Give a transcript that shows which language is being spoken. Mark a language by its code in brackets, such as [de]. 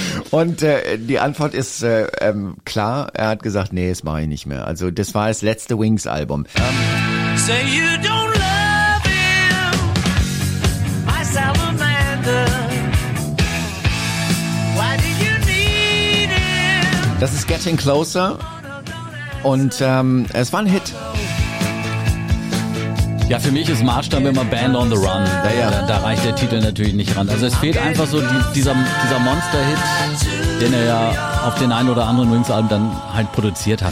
[de] Und die Antwort ist klar, er hat gesagt, nee, das mache ich nicht mehr. Also das war das letzte Wings-Album. [en] Say you don't love him, my Salamander. Why do you need him? [de] Das ist Getting Closer und es war ein Hit. Ja, für mich ist Maßstab immer Band on the Run. Ja, ja. Da reicht der Titel natürlich nicht ran. Also es fehlt einfach so dieser Monster-Hit, den er ja auf den einen oder anderen Wings-Alben dann halt produziert hat.